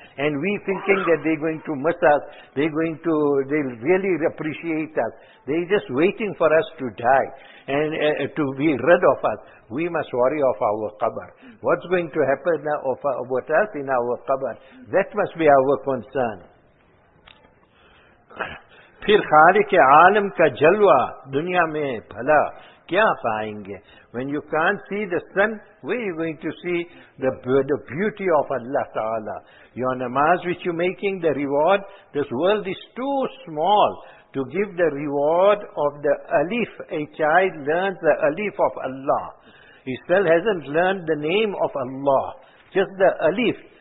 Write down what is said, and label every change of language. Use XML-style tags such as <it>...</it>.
<en>And we thinking that they're going to miss us, they'll really appreciate us. They're just waiting for us to die and to be rid of us. We must worry of our qabr. What's going to happen about us in our qabr? That must be our concern.</en> <ur>پھر خالق عالم کا جلوہ دنیا میں بھلا کیا پائیں گے.</ur> <en>When you can't see the sun, where are you going to see the beauty of Allah Ta'ala? Your namaz which you're making, the reward, this world is too small to give the reward of the alif. A child learns the alif of Allah. He still hasn't learned the name of Allah. Just the alif.</en>